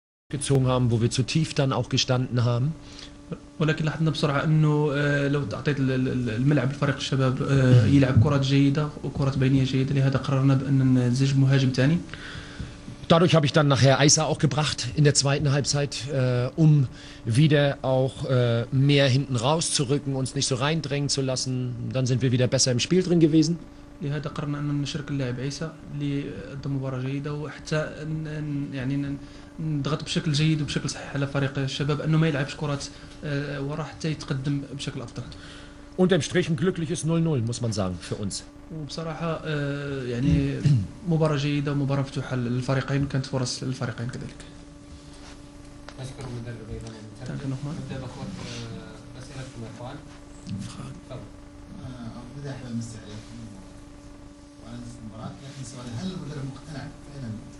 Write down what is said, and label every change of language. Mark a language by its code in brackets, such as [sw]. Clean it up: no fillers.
[de] gezogen haben, wo wir zu tief dann auch gestanden haben. [ar] ولكن لاحظنا بسرعه انه لو تعطيت الملعب لفريق الشباب يلعب كره جيده وكره بينيه جيده لهذا قررنا بان نزيد مهاجم ثاني. [de] Dadurch habe ich dann nachher Eisa auch gebracht in der zweiten Halbzeit, um wieder auch mehr hinten rauszurücken, uns nicht so reindrängen zu lassen. Dann sind wir wieder besser im Spiel drin gewesen. [ar] نضغط بشكل جيد وبشكل صحيح على فريق الشباب انه ما يلعبش كرات ورا حتى يتقدم بشكل افضل. [de] Unterm Strich ein glückliches 0-0 muss man sagen für uns. [ar] وبصراحه يعني مباراه جيده ومباراه مفتوحه للفريقين كانت فرص للفريقين كذلك. اشكر المدرب ايضا. شكرا لكم. اسئلتكم يا اخوان. تفضل. ابتدي احب امسي عليكم وعلى المباراه، لكن سؤالي هل المدرب مقتنع فعلا